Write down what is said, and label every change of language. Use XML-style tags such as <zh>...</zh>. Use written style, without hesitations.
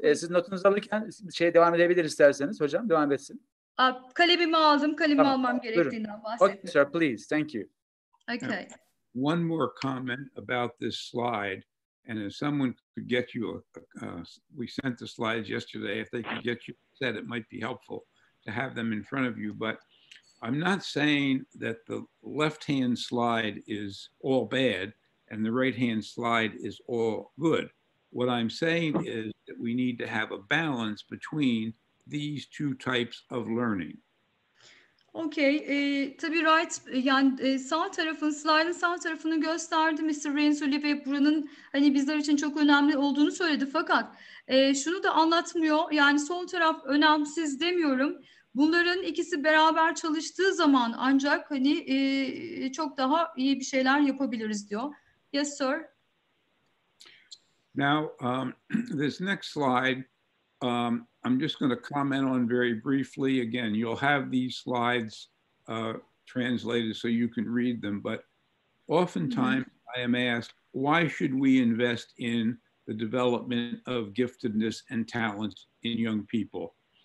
<tr>Siz notunuzu alırken devam edebilir isterseniz hocam devam etsin. Kalemimi aldım. Kalemimi tamam. Almam gerektiğinden bahsettim.</tr> <en>Okay, sir, please. Thank you. Okay. Now, one more comment about this slide, and if someone could get you, we sent the slides yesterday. If they could get you set, it might be helpful. to have them in front of you, but I'm not saying that the left-hand slide is all bad and the right-hand slide is all good. What I'm saying is that we need to have a balance between these two types of learning.</en> <tr>Okay, tabii</tr> <en>right,</en> <tr>yani sağ tarafın, slide'ın sağ tarafını gösterdi Mr. Rensoli ve buranın hani bizler için çok önemli olduğunu söyledi. Fakat şunu da anlatmıyor, yani sol taraf önemsiz demiyorum. Bunların ikisi beraber çalıştığı zaman ancak hani çok daha iyi bir şeyler yapabiliriz diyor.</tr> <en>Yes, sir. Now, this next slide, I'm just going to comment on very briefly. Again, you'll have these slides translated so you can read them. But oftentimes I am asked, why should we invest in the development of giftedness and talents in young people?</en>